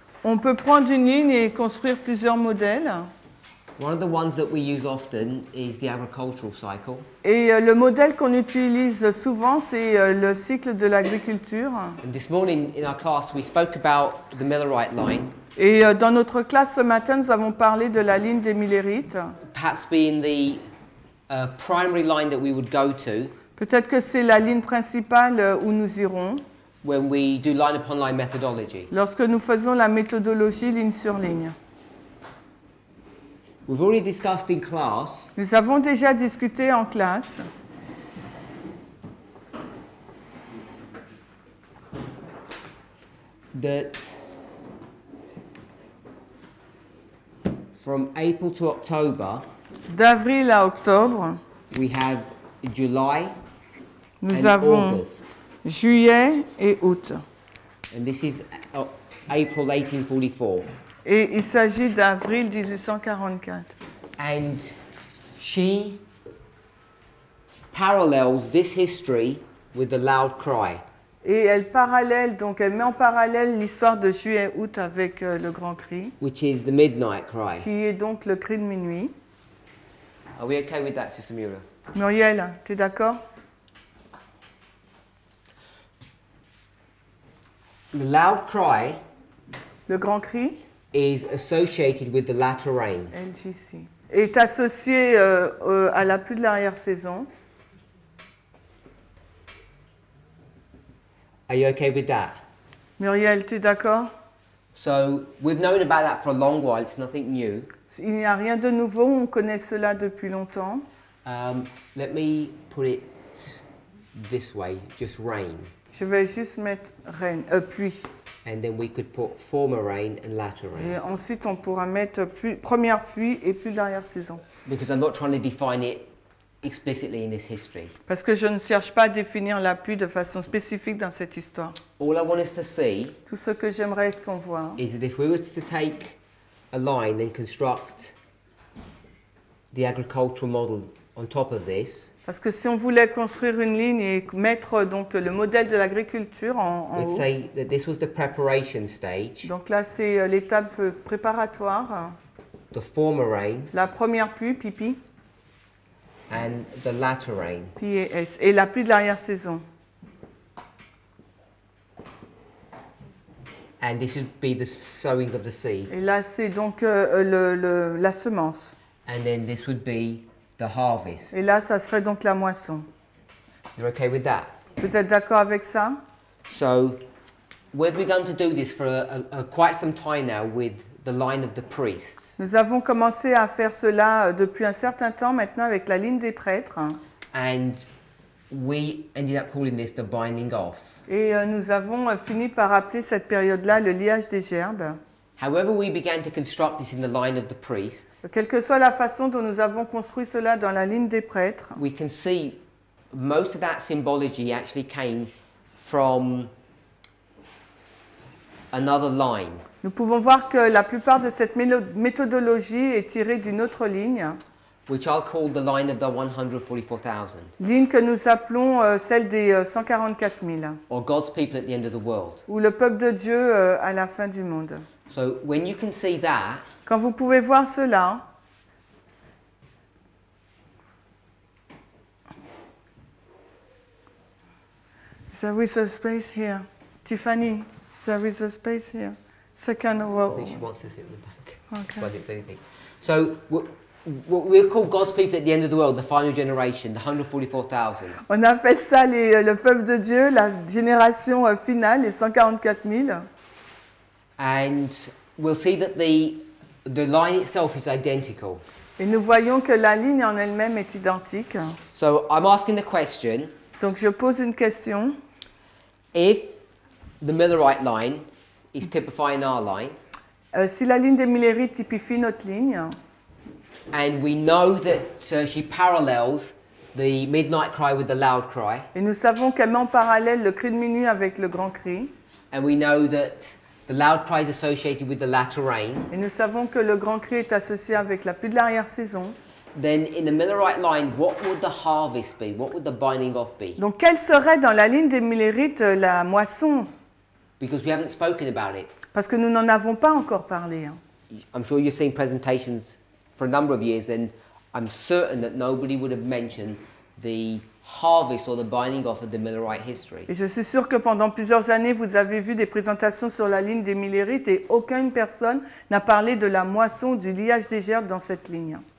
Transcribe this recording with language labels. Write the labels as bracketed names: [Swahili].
[French] On peut prendre une ligne et construire plusieurs modèles. [English] One of the ones that we use often is the agricultural cycle. [French] Et le modèle qu'on utilise souvent, c'est le cycle de l'agriculture. [English] And this morning in our class, we spoke about the Millerite line. [French] Et dans notre classe ce matin, nous avons parlé de la ligne des Millerites. [English] Perhaps being the primary line that we would go to. [French] Peut-être que c'est la ligne principale où nous irons. [English] When we do line upon line methodology. [French] Lorsque nous faisons la méthodologie ligne sur ligne. [English] We've already discussed in class. [French] Nous avons déjà discuté en classe. [English] That from April to October. [French] D'avril à octobre. [English] We have July. [French] Nous [English] and [French] avons [English] August. [French] Juillet et août. [English] And this is April 1844. [French] Et il s'agit d'avril 1844. [English] And she parallels this history with the loud cry. [French] Et elle parallèle, donc elle met en parallèle l'histoire de juillet et août avec le grand cri. [English] Which is the midnight cry. [French] Qui est donc le cri de minuit. [English] Are we okay with that, Sister Muriel? [French] Muriel, t'es d'accord? [English] The loud cry, [French] le grand cri, [English] is associated with the latter rain. [French] LGC est associé à la pluie de l'arrière saison. [English] Are you okay with that? [French] Muriel, t'es d'accord? [English] So we've known about that for a long while. It's nothing new. [French] Il n'y a rien de nouveau. On connaît cela depuis longtemps. [English] Let me put it this way: just rain. [French] Je vais juste mettre rain, pluie. [English] And then we could put former rain and latter rain. [French] Et ensuite, on pourra mettre première pluie et pluie de l'arrière saison. [English] Because I'm not trying to define it explicitly in this history. [French] Parce que je ne cherche pas à définir la pluie de façon spécifique dans cette histoire. [English] All I want us to see. [French] Tout ce que j'aimerais qu'on voit. [English] Is that if we were to take a line and construct the agricultural model on top of this. [French] Parce que si on voulait construire une ligne et mettre donc le modèle de l'agriculture en [English] let's [French] haut. [English] Say that this was the preparation stage. [French] Donc là, c'est l'étape préparatoire. [English] The former rain. [French] La première pluie, pipi. [English] And the latter rain. [French] P-A-S. Et la pluie de l'arrière saison. [English] And this would be the sowing of the seed. [French] Et là, c'est donc la semence. [English] And then this would be the harvest. [French] Et là, ça serait donc la moisson. [English] You're okay with that? [French] Vous êtes d'accord avec ça? [English] So, we've begun to do this for quite some time now with the line of the priests. [French] Nous avons commencé à faire cela depuis un certain temps maintenant avec la ligne des prêtres. [English] And we ended up calling this the binding off. [French] Et nous avons fini par appeler cette période-là le liage des gerbes. [English] However we began to construct this in the line of the priests. [French] Quelle que soit la façon dont nous avons construit cela dans la ligne des prêtres. [English] We can see most of that symbology actually came from another line. [French] Nous pouvons voir que la plupart de cette méthodologie est tirée d'une autre ligne. [English] Which I'll call the line of the 144,000. [French] Ligne que nous appelons celle des 144,000. [English] Or God's people at the end of the world. [French] Ou le peuple de Dieu à la fin du monde. [English] So when you can see that, [French] quand vous pouvez voir cela, [English] there is a space here, Tiffany. There is a space here, second row. I think she wants to sit in the back. Okay. So what we call God's people at the end of the world, the final generation, the 144,000. [French] On appelle ça le peuple de Dieu, la génération finale, les 144,000. [English] And we'll see that the line itself is identical. [French] Et nous voyons que la ligne en elle-même est identique. [English] So I'm asking the question. [French] Donc je pose une question. [English] If the Millerite line is typifying our line. [French] Si la ligne des Millerites typifie notre ligne. [English] And we know that she parallels the midnight cry with the loud cry. [French] Et nous savons qu'elle met en parallèle le cri de minuit avec le grand cri. [English] And we know that the loud cry is associated with the latter rain. [French] Et nous savons que le grand cri est associé avec la pluie de l'arrière saison. [English] Then in the millerite line, what would the harvest be? What would the binding off be? [French] Donc quelle serait dans la ligne des millérites la moisson? [English] Because we haven't spoken about it. [French] Parce que nous n'en avons pas encore parlé. [English] I'm sure you've seen presentations for a number of years, and I'm certain that nobody would have mentioned the harvest or the binding off of the millerite history. [French] Et je suis sûr que pendant plusieurs années, vous avez vu des présentations sur la ligne des millérites et aucune personne n'a parlé de la moisson du liage des gerbes dans cette ligne.